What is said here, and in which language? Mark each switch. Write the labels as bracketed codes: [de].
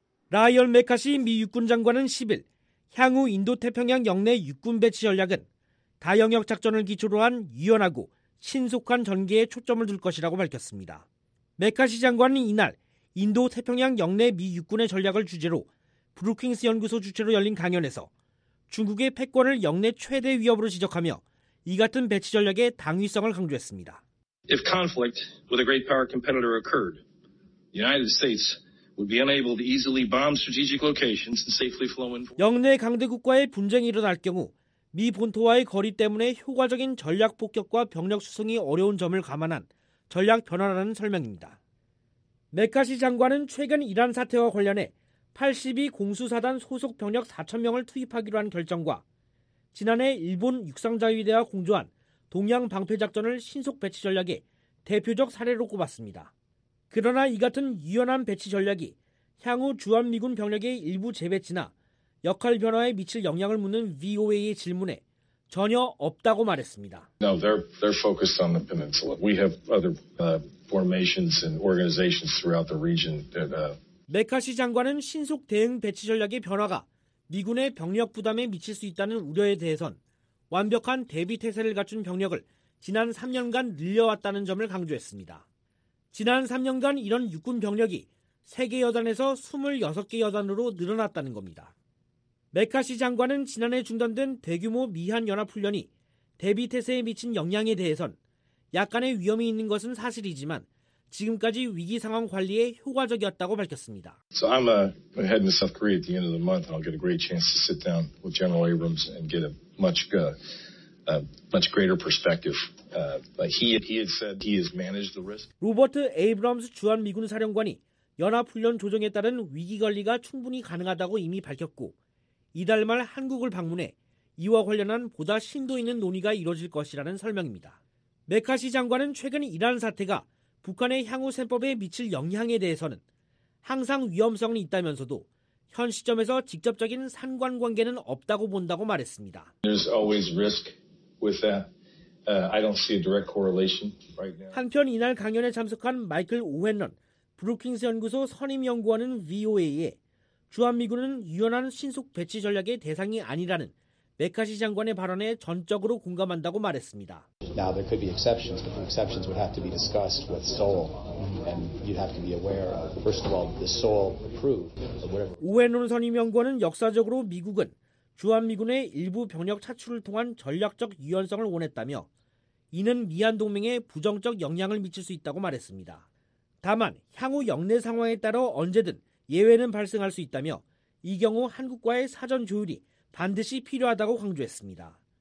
[ko] 라이언 메카시 미 육군 장관은 10일 향후 인도태평양 영내 육군 배치 전략은 다영역 작전을 기초로 한 유연하고 신속한 전개에 초점을 둘 것이라고 밝혔습니다. 메카시 장관은 이날 인도태평양 영내 미 육군의 전략을 주제로 브루킹스 연구소 주최로 열린 강연에서 중국의 패권을 영내 최대 위협으로 지적하며 이 같은 배치 전략의 당위성을 강조했습니다. [en] If conflict with a great power competitor occurred, the United States would be unable to easily bomb strategic locations and safely flow in. [ko] 영내 강대국과의 분쟁이 일어날 경우 미 본토와의 거리 때문에 효과적인 전략 폭격과 병력 수송이 어려운 점을 감안한 전략 변화라는 설명입니다. 메카시 장관은 최근 이란 사태와 관련해 82 공수사단 소속 병력 4,000명을 투입하기로 한 결정과 지난해 일본 육상자위대와 공조한 동양 방패작전을 신속 배치 전략의 대표적 사례로 꼽았습니다. 그러나 이 같은 유연한 배치 전략이 향후 주한미군 병력의 일부 재배치나 역할 변화에 미칠 영향을 묻는 VOA의 질문에 전혀 없다고 말했습니다. [en] No, they're focused on the peninsula. We have other formations and organizations throughout the region that. [ko] 메카시 장관은 신속 대응 배치 전략의 변화가 미군의 병력 부담에 미칠 수 있다는 우려에 대해선 완벽한 대비 태세를 갖춘 병력을 지난 3년간 늘려왔다는 점을 강조했습니다. 지난 3년간 이런 육군 병력이 3개 여단에서 26개 여단으로 늘어났다는 겁니다. 메카시 장관은 지난해 중단된 대규모 미한 연합훈련이 대비 태세에 미친 영향에 대해선 약간의 위험이 있는 것은 사실이지만 지금까지 위기 상황 관리에 효과적이었다고 밝혔습니다. [en] So I'm heading to South Korea at the end of the month. I'll get a great chance to sit down with General Abrams and get a much greater perspective. He had said he has managed the risk. [ko] 로버트 에이브럼스 주한 미군 사령관이 연합훈련 조정에 따른 위기 관리가 충분히 가능하다고 이미 밝혔고 이달 말 한국을 방문해 이와 관련한 보다 심도 있는 논의가 이뤄질 것이라는 설명입니다. 메카시 장관은 최근 이란 사태가 북한의 향후 셈법에 미칠 영향에 대해서는 항상 위험성은 있다면서도 현 시점에서 직접적인 상관관계는 없다고 본다고 말했습니다. [en] There's always risk with that. I don't see a direct correlation right now. [ko] 한편 이날 강연에 참석한 마이클 오헨런 브루킹스 연구소 선임 연구원은 VOA에 주한미군은 유연한 신속 배치 전략의 대상이 아니라는 메카시 장관의 발언에 전적으로 공감한다고 말했습니다. [en] Now there could be exceptions, but the exceptions would have to be discussed with Seoul, and you'd have to be aware of first of all the Seoul approved. [ko] 오헨런 선임 연구원은 역사적으로 미국은 주한미군의 일부 병력 차출을 통한 전략적 유연성을 원했다며 이는 미한 동맹에 부정적 영향을 미칠 수 있다고 말했습니다. 다만 향후 역내 상황에 따라 언제든 예외는 발생할 수 있다며 이 경우 한국과의 사전 조율이 반드시 필요하다고 강조했습니다.